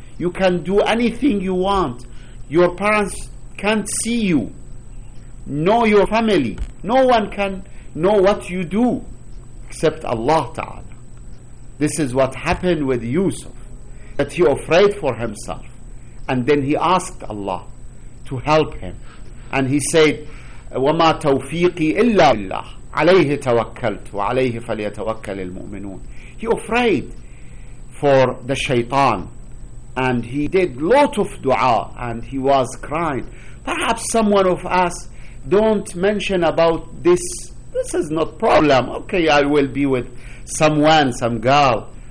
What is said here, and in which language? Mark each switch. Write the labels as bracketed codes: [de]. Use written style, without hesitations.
[en] You can do anything you want. Your parents can't see you, nor your family. No one can know what you do except Allah Ta'ala. This is what happened with Yusuf, that he afraid for himself. And then he asked Allah to help him. And he said, [ar] وَمَا تَوْفِيقِي إِلَّا بِاللَّهِ عَلَيْهِ تَوَكَّلْتُ وَعَلَيْهِ فَلْيَتَوَكَّلِ الْمُؤْمِنُونَ. [en] He afraid for the shaitan. And he did lot of dua and he was crying. Perhaps someone of us don't mention about this. This is not problem. Okay, I will be with someone, some girl.